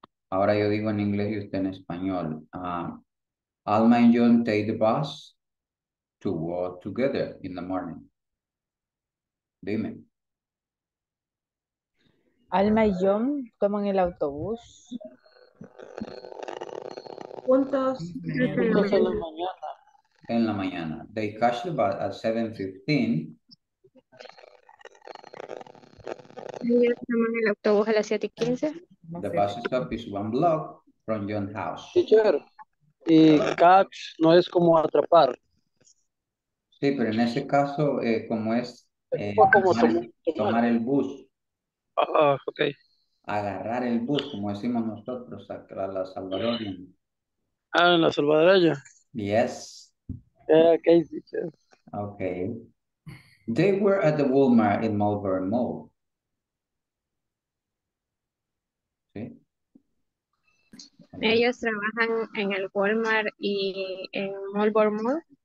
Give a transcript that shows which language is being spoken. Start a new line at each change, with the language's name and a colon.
Spanish: Ahora yo digo en inglés y usted en español.
English: Alma and John take the bus to walk together in the morning.
Spanish: Dime. Alma y John toman el autobús. Juntos. Juntos en la mañana. En la mañana.
English: They catch the bus at 7:15.
Spanish: Ellos toman el autobús a las 7:15.
English: The bus stop is one block from John's house.
Spanish: Teacher, y catch no es como atrapar. Sí, pero en ese caso, como es... tomar el bus. Ah, okay. Agarrar el bus, como decimos nosotros, a la salvadoreña. Ah, en la salvadoreña.
English: Yes. Okay. Okay. They were at the Walmart in Mulberry Mall.
Spanish: Sí. Ellos trabajan en el Walmart y en Mulberry Mall.